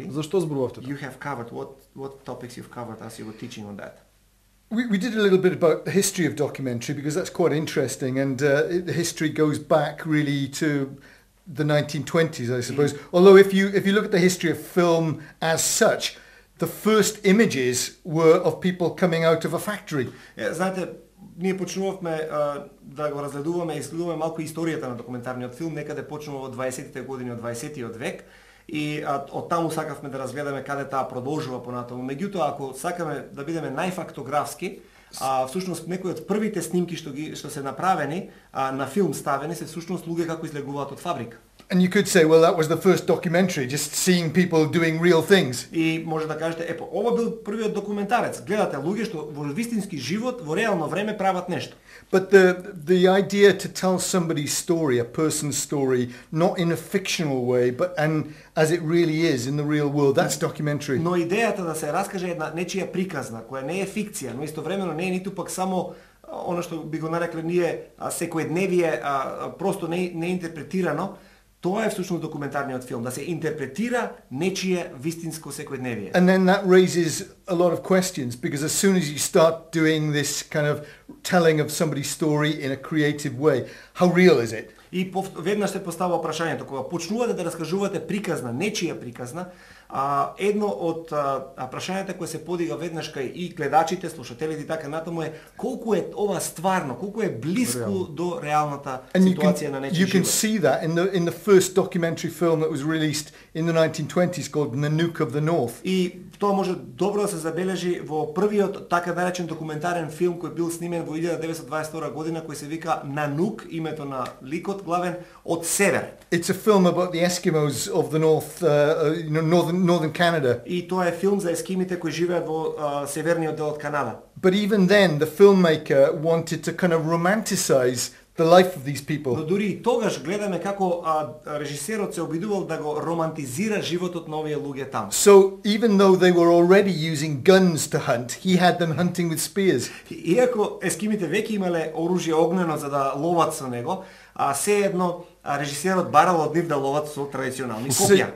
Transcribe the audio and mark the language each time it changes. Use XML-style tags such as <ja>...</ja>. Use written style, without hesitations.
<mk>Зашто зборувавте?</mk> <en>You have covered what topics you've covered as you were teaching on that. We did a little bit about the history of documentary because that's quite interesting and the history goes back really to the 1920s I suppose. Although if you look at the history of film as such, the first images were of people coming out of a factory.</en> <mk>Знаете, ние почнувавме да го разгледуваме и следуваме малку историјата на документарниот филм, некаде почнува во 20-тите години од 20-тиот век и оттаму сакавме да разгледаме каде таа продолжува понатаму. Меѓутоа, ако сакаме да бидеме најфактографски, всушност некои од првите снимки што се направени на филм ставени се всушност луѓе како излегуваат од фабрика.</mk> <en>And you could say, well, that was the first documentary, just seeing people doing real things.</en> <mk>И може да кажете, епо, ова бил првиот документарец. Гледате луѓе што во вистински живот, во реално време прават нешто.</mk> <en>But the idea to tell somebody's story, a person's story, not in a fictional way, but and as it really is in the real world, that's documentary.</en> <mk>Но идејата да се раскаже една нечија приказна, која не е фикција, но истовремено не е ниту пак само оно што би го нарекле ние секојдневие, просто не интерпретирано. Тоа е всушност документарниот филм, да се интерпретира нечие вистинско секојдневие.</mk> <en>And then that raises a lot of questions because as soon as you start doing this kind of telling of somebody's story in a creative way, how real is it?</en> <mk>И веднаш се поставува прашањето кога почнувате да раскажувате приказна, нечија приказна, едно од прашањата кои се подига веднаш кај и гледачите, слушателите и така натаму е колку е ова стварно, колку е блиску до реалната ситуација на нечиј живот.</mk> <en>You can see that in the first documentary film that was released in the 1920s called Nanook of the North.</en> <mk>И тоа може добро да се забележи во првиот така наречен документарен филм кој бил снимен во 1922 година кој се вика Нанук, името на ликот главен од север.</mk> <en>It's a film about the Eskimos of the north, northern Canada.</en> <mk>И тоа е филм за ескимите кои живеат во северниот дел од Канада.</mk> <en>But even then the filmmaker wanted to kind of romanticize the life of these people.</en> <mk>Но дури и тогаш гледаме како режисерот се обидувал да го романтизира животот на овие луѓе таму.</mk> <en>So even though they were already using guns to hunt, he had them hunting with spears.</en> <mk>Иако ескимите веќе имале оружје огнено за да ловат со него, се едно режисерот барал од нив да ловат со традиционални копја.</mk>